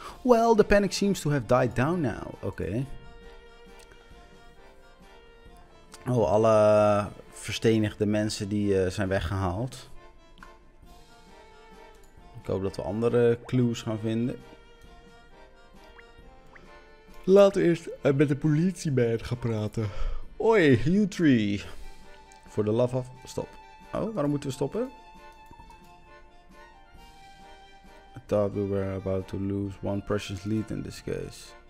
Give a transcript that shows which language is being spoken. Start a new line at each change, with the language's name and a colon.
English: Well, the panic seems to have died down now. Oké. Okay.
Dutch: Oh, alle verstenigde mensen die zijn weggehaald. Ik hoop dat we andere clues gaan vinden. Laten we eerst met de politieman gaan praten.
English: Oi, you three. For the love of... Stop.
Dutch: Oh, waarom moeten we stoppen?
English: I thought we were about to lose one precious lead in this case.